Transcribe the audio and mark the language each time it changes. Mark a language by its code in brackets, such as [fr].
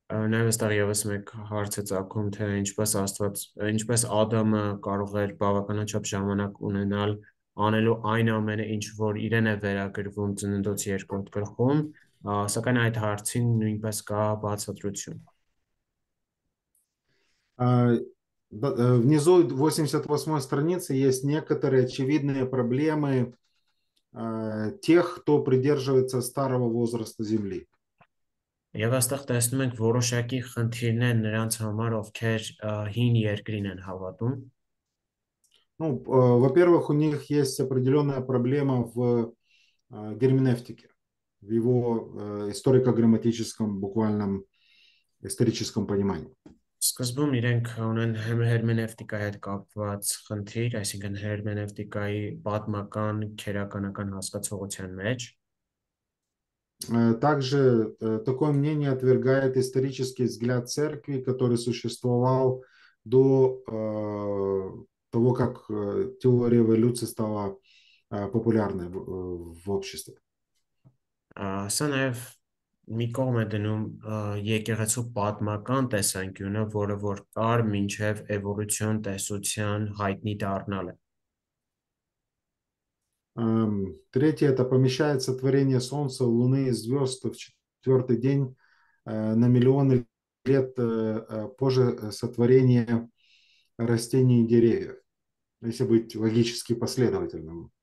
[hy] Նույնիսկ ես մեկ հարց եմ ակում, թե ինչպես Ադամը կարող էր բավականաչափ ժամանակ ունենալ անելու այն ամենը, ինչ որ իրեն է վերագրվում ծննդոց 2-րդ գլխում, սակայն այդ հարցին նույնպես կա բացատրություն։ [ru] Внизу 88-й страницы есть некоторые очевидные проблемы тех, кто придерживается старого возраста Земли. [hy] Եվ այստեղ տեսնում ենք որոշակի խնդիրներ նրանց համար, ովքեր հին երկրին են հավատում։ [ru] Ну, во-первых, у них есть определенная проблема в герменевтике, в его историко-грамматическом, буквальном историческом понимании. [hy] Սկզբում իրենք ունեն հերմենևտիկայի հետ կապված խնդիր, այսինքն հերմենևտիկայի պատմական, քերականական հասկացողության մեջ։ [ru] Также такое мнение отвергает исторический взгляд церкви, который существовал до того, как теория эволюции стала популярной в обществе. [hy] Սանև մի կողմ է դնում եկեղեցու պատմական տեսանկյունը, որը որ կար մինչև էվոլյուցիոն տեսության հայտնի դառնալը։ [ru] Третье – это помещает сотворение Солнца, Луны и звезд в четвертый день на миллионы лет позже сотворения растений и деревьев, если быть логически последовательным.